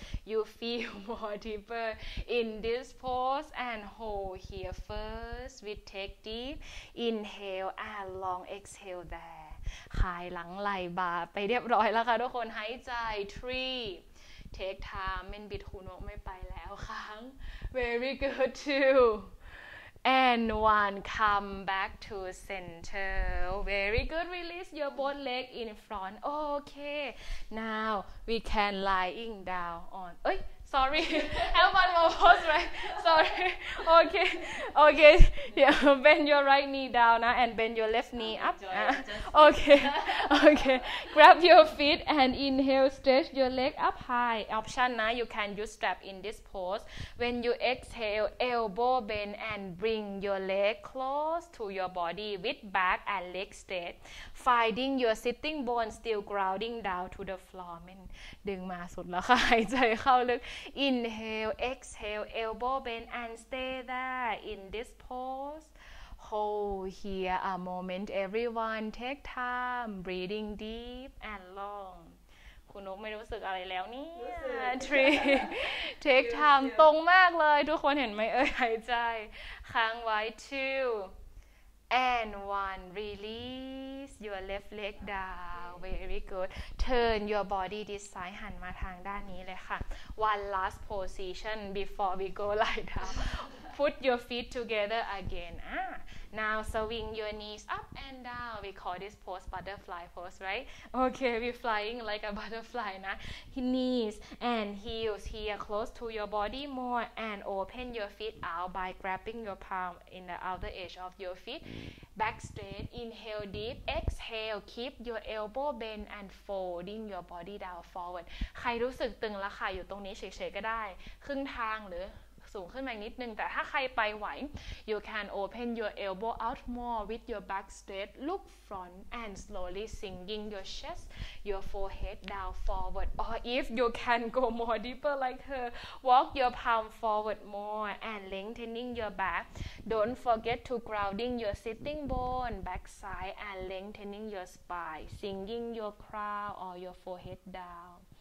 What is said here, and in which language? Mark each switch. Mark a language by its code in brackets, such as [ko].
[en] you feel more deeper in this pose and hold here first we take deep inhale and long exhale there [th] คลายหลังไหล่บ่าไปเรียบร้อยแล้วค่ะทุกคนหายใจ [en] 3 take time [th] เป็นบิดหูนกไม่ไปแล้วครั้ง [en] very good too And one, come back to center. Very good. Release your both leg in front. Okay. Now we can lying down on. Oh, sorry. Have one more pose, right? Sorry. Okay. Okay. Yeah. Bend your right knee down, nah, and bend your left knee up. Okay. Okay. Grab your feet and inhale. Stretch your leg up high. Option, nah, you can use strap in this pose. When you exhale, elbow bend and bring your leg close to your body with back and leg straight. Finding your sitting bone still grounding down to the floor. [th] มันดึงมาสุดแล้วค่ะหายใจเข้าลึก [en] Inhale, exhale, elbow bend and stay there in this pose. Hold here a moment, everyone. Take time, breathing deep and long. [th] คุณนกไม่รู้สึกอะไรแล้วนี่ [en] Three. Take time. [th] ตรงมากเลยทุกคนเห็นไหมเอ่ยหายใจค้างไว้ [en] Two. And one. Release your left leg down. very good. Turn your body this side. [th] หันมาทางด้านนี้เลยค่ะ [en] One last position before we go lie down. Put your feet together again. Now swing your knees up and down. We call this pose butterfly pose, right? Okay, we're flying like a butterfly. Nah, knees and heels here close to your body more, and open your feet out by grabbing your palm in the outer edge of your feet. Back straight. Inhale deep. Exhale. Keep your elbow bent and folding your body down forward. [th] ใครรู้สึกตึงแล้วค่ะอยู่ตรงนี้เฉยๆก็ได้ครึ่งทางหรือสูงขึ้นมานิดนึงแต่ถ้าใครไปไหว [en] you can open your elbow out more with your back straight look front and slowly sinking your chest your forehead down forward or if you can go more deeper like her walk your palm forward more and lengthening your back don't forget to grounding your sitting bone back side and lengthening your spine sinking your crown or your forehead down